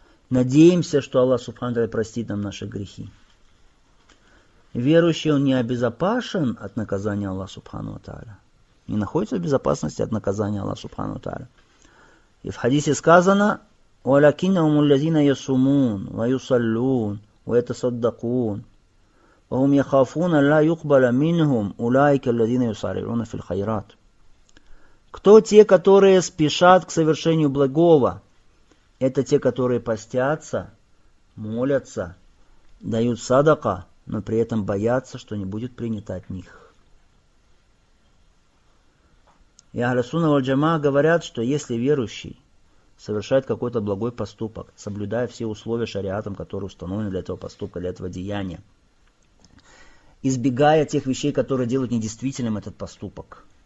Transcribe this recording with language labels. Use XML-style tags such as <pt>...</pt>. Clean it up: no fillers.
<ru>Надеемся, что Аллах Субхану ва Тааля простит нам наши грехи. Верующий, он не обезопасен от наказания Аллаха Субхану ва Тааля. Не находится в безопасности от наказания Аллаха Субхану ва Тааля. И в хадисе сказано:</ru> <ar>«Валякинна умуллязина ясумун, ваюсаллун, ваэтасаддакун». وهم يخافون لا يقبل منهم أولئك الذين يسارعون في الخيرات.</ar> <ru>Кто те, которые спешат к совершению благого? Это те, которые постятся, молятся, дают садака, но при этом боятся, что не будет принято от них. И Ахля Сунна валь Джама говорят, что если верующий совершает какой-то благой поступок, соблюдая все условия шариатом, которые установлены для этого поступка, для этого деяния, избегая тех вещей, которые делают недействительным этот поступок,</ru>